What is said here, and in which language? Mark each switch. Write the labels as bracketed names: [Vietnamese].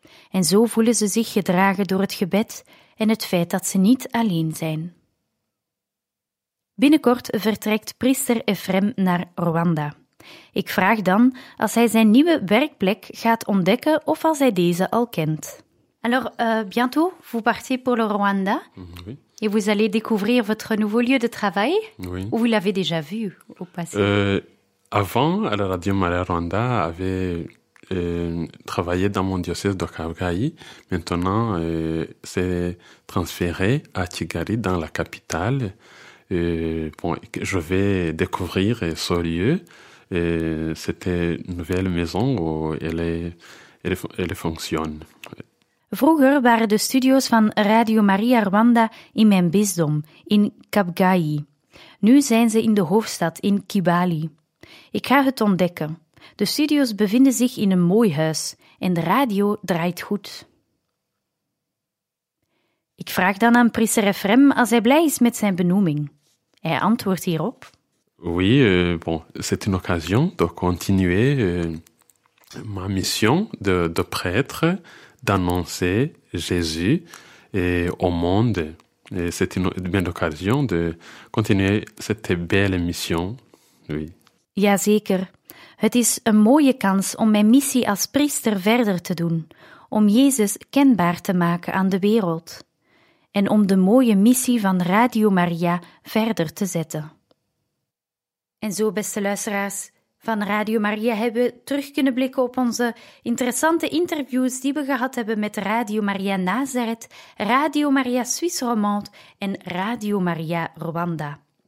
[Dutch] En zo voelen ze zich gedragen door het gebed en het feit dat ze niet alleen zijn. Binnenkort vertrekt priester Ephrem naar Rwanda. Ik vraag dan als hij zijn nieuwe werkplek gaat ontdekken of als hij deze al kent. [French] Alors, bientôt, vous partez pour le Rwanda. Oui. Et vous allez découvrir votre nouveau lieu de travail. Oui. Ou vous l'avez déjà vu au passé? Avant, la Radio Maria Rwanda avait travaillé dans mon diocèse de Kabgayi. Maintenant, c'est transféré à Kigali, dans la capitale. Je vais découvrir ce lieu. Et c'était une nouvelle maison où elle fonctionne. [Dutch] Vroeger waren de studio's van Radio Maria Rwanda in mijn bisdom, in Kabgayi. Nu zijn ze in de hoofdstad, in Kibali. Ik ga het ontdekken. De studio's bevinden zich in een mooi huis en de radio draait goed. Ik vraag dan aan priester Ephrem als hij blij is met zijn benoeming. Hij antwoordt hierop. [French] Oui, c'est une occasion de continuer ma mission de prêtre. D'annoncer Jésus au monde. Et c'est une belle occasion de continuer cette belle mission. Oui. [Dutch] Jazeker. Het is een mooie kans om mijn missie als priester verder te doen, om Jezus kenbaar te maken aan de wereld en om de mooie missie van Radio Maria verder te zetten. En zo, beste luisteraars, van Radio Maria hebben we terug kunnen blikken op onze interessante interviews die we gehad hebben met Radio Maria Nazareth, Radio Maria Suisse Romande en Radio Maria Rwanda.